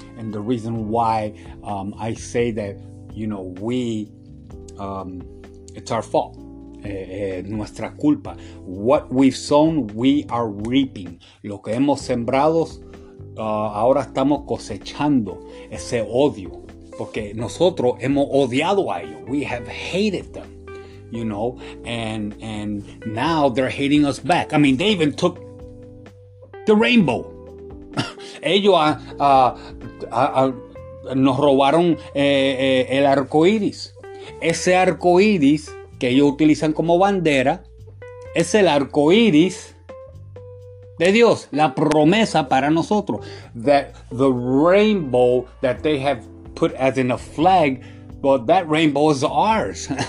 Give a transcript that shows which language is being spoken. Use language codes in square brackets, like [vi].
[en] And the reason why I say that, you know, it's our fault, [es] nuestra culpa. [en] What we've sown, we are reaping. [es] Lo que hemos sembrado, ahora estamos cosechando ese odio, porque nosotros hemos odiado a ellos. [en] We have hated them, you know, and now they're hating us back. I mean, they even took the rainbow. [es] Ellos nos robaron el arco iris. Ese arco iris que ellos utilizan como bandera es el arco iris de Dios, la promesa para nosotros. [en] That the rainbow that they have put as in a flag, but that rainbow is ours.